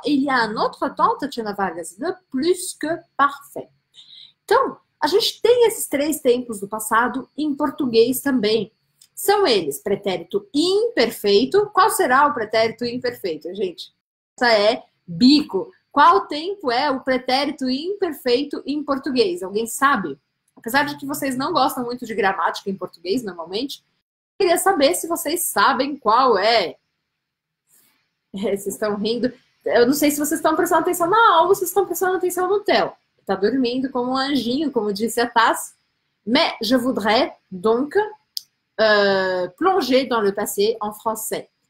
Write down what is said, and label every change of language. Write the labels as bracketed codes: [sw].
[fr] Et il y a un autre temps, Tatiana Vargas, le plus que parfait. [pt] Então, a gente tem esses três tempos do passado em português também. São eles, pretérito imperfeito. Qual será o pretérito imperfeito, gente? Essa é bico. Qual tempo é o pretérito imperfeito em português? Alguém sabe? Apesar de que vocês não gostam muito de gramática em português, normalmente, eu queria saber se vocês sabem qual é. Vocês estão rindo. Eu não sei se vocês estão prestando atenção na aula ou vocês estão prestando atenção no Theo. Está dormindo como um anjinho, como disse a Tassi. [fr] Mais je voudrais donc plonger dans le passé en français.